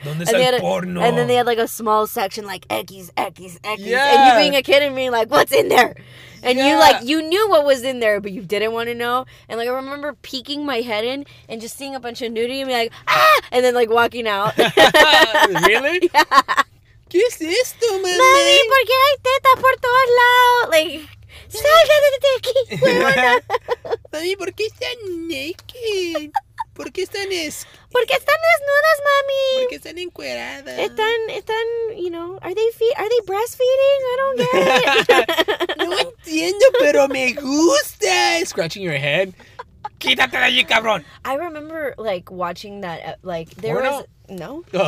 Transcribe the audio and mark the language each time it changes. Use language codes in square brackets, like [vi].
[en] And then they had, like, a small section, like, Eggies. Yeah. And you being a kid and being like, what's in there? And you, like, you knew what was in there, but you didn't want to know. And, like, I remember peeking my head in and just seeing a bunch of nudity and be like, ah! And then, like, walking out. Really? Yeah. [es] ¿Qué es esto, mami? Mami, ¿por qué hay teta por todos lados? Like, salga de aquí, huevona. Mami, ¿por qué están naked? ¿Por qué están ¿Por qué están desnudas, mami? ¿Por qué están encueradas? Están, [en] you know, are they breastfeeding? I don't get it. [es] No entiendo, pero me gusta. [en] Scratching your head. [es] Quítate de allí, cabrón. [en] I remember, like, watching that, like, there Porno? Was... No.